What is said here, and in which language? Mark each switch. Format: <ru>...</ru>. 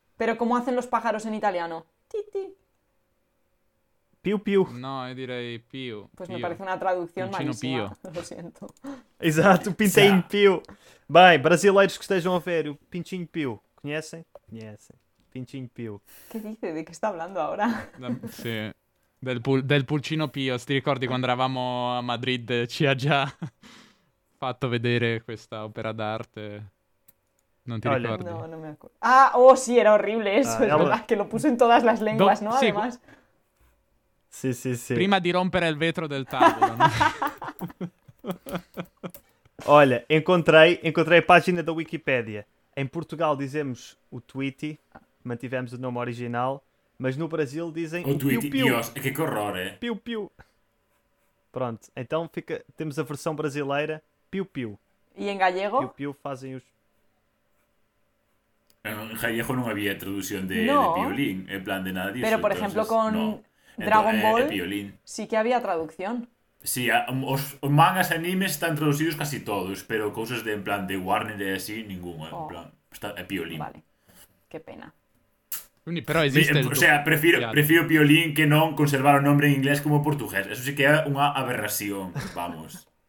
<es>Pero ¿cómo hacen los pájaros en italiano? Titi. Piu, piu.</es> <it>No, direi piu.</it> <es>Pues me parece una traducción malísima. Pio. Lo siento.</es> <pt>Exacto, pintei em piu. Bem, brasileiros que estejam a ver, o pintinho piu. Conhecem? Conhecem. Pintinho piu.</pt> <es>Que dice? De que está hablando ahora? Sí. Del pulcino pio.</es> <it>Ti ricordi quando eravamo a Madrid? Ci ha già fatto vedere questa opera d'arte. Non ti ricordi? No, non mi ricordo. Ah, oh sì, era orribile.</it> <es>Eso, es verdad, que lo puso in todas las lenguas, no?</es> <it>Sì.</it> <es>Además.</es> <it>Sì, sì, sì. Prima di rompere il vetro del tavolo, no?</it> <pt>Olha, encontrei a página da Wikipédia. Em Portugal dizemos o Tweety, mantivemos o nome original, mas no Brasil dizem o Tweety. Piu, piu.</pt> <es>Dios, que horror, é? Piu, piu.</es> <pt>Pronto, então fica, temos a versão brasileira, piu, piu. E em galego? Piu, piu fazem os...</pt> <gl>Em galego não havia tradução de piolín, em plan de nada disso. Pero, por exemplo, com Dragon Ball, sí que havia tradução.</gl> <es>Sí, os mangas e animes están traducidos casi todos, pero cosas de en plan de Warner y así, ninguno. En plan, está Piolín. Vale, qué pena. Pero existe. Prefiero Piolín que no conservar el nombre en inglés como portugués. Eso sí que es una aberración, vamos.</es>